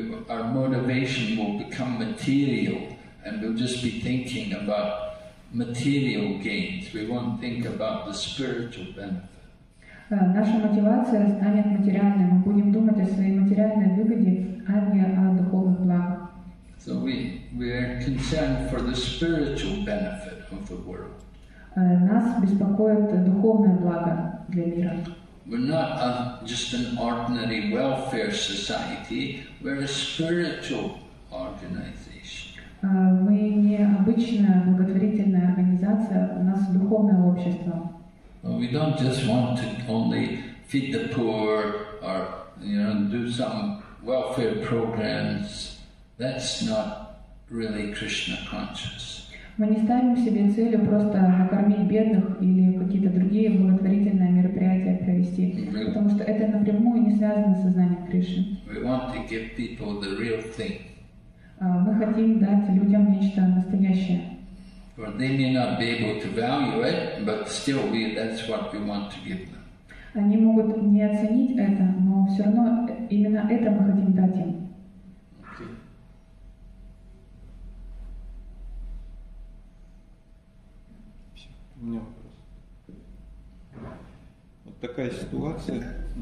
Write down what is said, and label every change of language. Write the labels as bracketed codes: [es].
[en] Our motivation will become material, and we'll just be thinking about material gains. We won't think about the spiritual benefit. [ru] Наша мотивация станет материальной. Мы будем думать о своей материальной выгоде, а не о духовных благах. [en] So we are concerned for the spiritual benefit of the world. [ru] Нас беспокоит духовное благо для мира. [en] We're not just an ordinary welfare society, we're a spiritual organization. [ru] Мы не обычная благотворительная организация, у нас духовное общество. [en] We don't just want to only feed the poor or, you know, do some welfare programs. That's not really Krishna conscious. [ru] Мы не ставим себе целью просто накормить бедных или какие-то другие благотворительные мероприятия провести, потому что это напрямую не связано с сознанием Кришны. [en] We want to give people the real thing. [ru] Мы хотим дать людям нечто настоящее. [en] Or they may not be able to value it, but still we, that's what we want to give them. [ru] Они могут не оценить это, но все равно именно это мы хотим дать им. У меня вопрос. Вот такая ситуация.